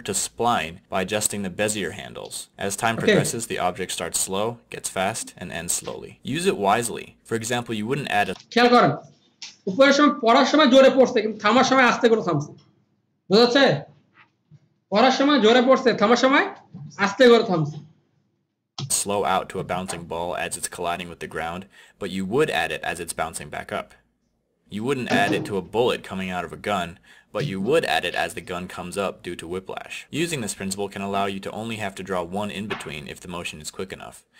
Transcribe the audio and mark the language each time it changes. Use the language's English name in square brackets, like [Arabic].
[English] to spline by adjusting the Bezier handles. As time progresses, the object starts slow, gets fast, and ends slowly. Use it wisely. For example, you wouldn't add a... [Bangla] খেয়াল করেন উপরের সময় পড়ার সময় জোরে পড়ছে কিন্তু থামার সময় আস্তে করে থামছে বুঝতে পারছে পড়ার সময় জোরে পড়ছে থামার সময় আস্তে করে থামছে [English] slow out to a bouncing ball as it's colliding with the ground but you would add it as it's bouncing back up you wouldn't add it to a bullet coming out of a gun but you would add it as the gun comes up due to whiplash. Using this principle can allow you to only have to draw one in-between if the motion is quick enough.